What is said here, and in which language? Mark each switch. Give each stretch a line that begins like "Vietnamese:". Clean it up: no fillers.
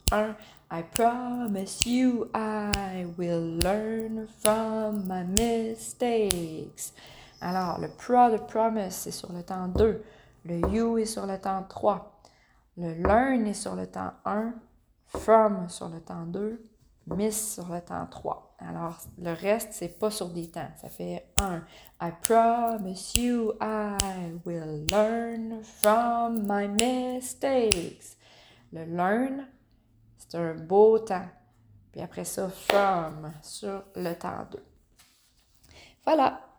English: 1, I promise you I will learn from my mistakes.
French: Alors, le pro de promise, c'est sur le temps 2. Le you est sur le temps 3. Le learn est sur le temps 1. From sur le temps 2, miss sur le temps 3. Alors, le reste, c'est pas sur des temps. Ça fait 1.
English: I promise you I will learn from my mistakes.
French: Le learn, c'est un beau temps. Puis après ça, from sur le temps 2. Voilà!